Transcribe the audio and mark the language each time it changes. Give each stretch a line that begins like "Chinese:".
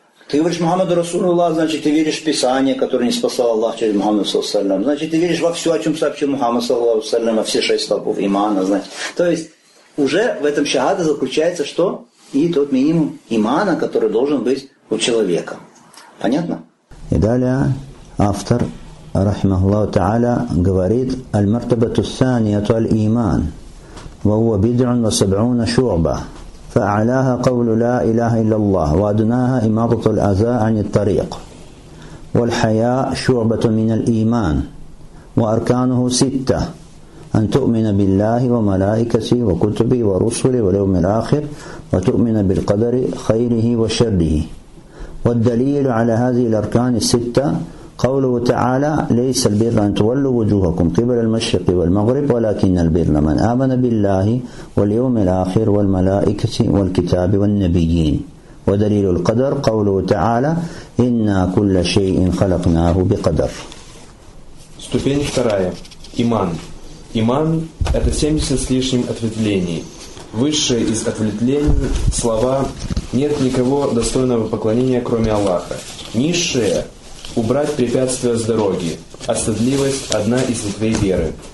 Russian: Ты говоришь Мухаммаду Расулу Аллах, значит, ты веришь в Писание, которое ниспослал Аллах через Мухаммад саллаллаху алейхи ва саллям. Значит, ты веришь во все, о чем сообщил Мухаммад саллаллаху алейхи ва саллям, во все шесть столпов имана, значит. То есть, уже в этом шахада заключается что? И тот минимум имана, который должен быть у человека. Понятно? И далее автор
Arabic: رحمه الله تعالى
Russian: говорит
Arabic: المرتبة الثانية الإيمان وهو بدع وسبعون شعبة فأعلاها قول لا إله إلا الله وأدناها إماطة الأذى عن الطريق والحياء شعبة من الإيمان وأركانه ستة أن تؤمن بالله وملائكته وكتبه ورسله واليوم الآخر وتؤمن بالقدر خيره وشره. والدليل على هذه الأركان الستة قوله تعالى: ليس البر أن تولوا وجوهكم قبل المشرق والمغرب ولكن البر من آمن بالله واليوم الآخر والملائكة والكتاب والنبيين. ودليل القدر قوله تعالى: إنا كل شيء خلقناه بقدر.
Russian: ступень вторая. Иман. Иман – это 70 с лишним ответвлений. Высшее из ответвлений – слова «Нет никого достойного поклонения, кроме Аллаха». Низшее – убрать препятствия с дороги. Остыдливость – одна из ветвей веры.